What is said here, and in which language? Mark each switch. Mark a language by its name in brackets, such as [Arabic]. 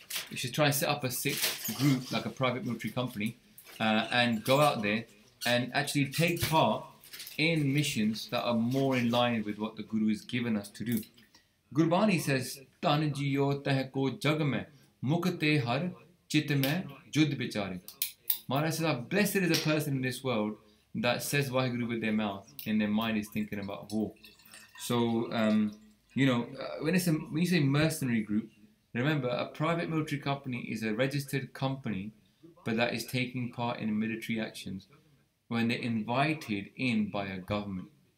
[English] We should try and set up a Sikh group, like a private military company, and go out there and actually take part in missions that are more in line with what the Guru has given us to do. Gurbani says, [Braj] ਤਨ ਜੀਓ ਤੇਹ ਕੋ ਜਗ ਮੇਂ, ਮੁਖ ਤੇ ਹਰ ਚਿਤ ਮੇਂ ਜੁਧ ਬਿਚਾਰੇ. [English] Maharaj says, blessed is a person in this world that says Waheguru with their mouth and their mind is thinking about war. So, when you say mercenary group, remember, a private military company is a registered company, but that is taking part in military actions when they're invited in by a government.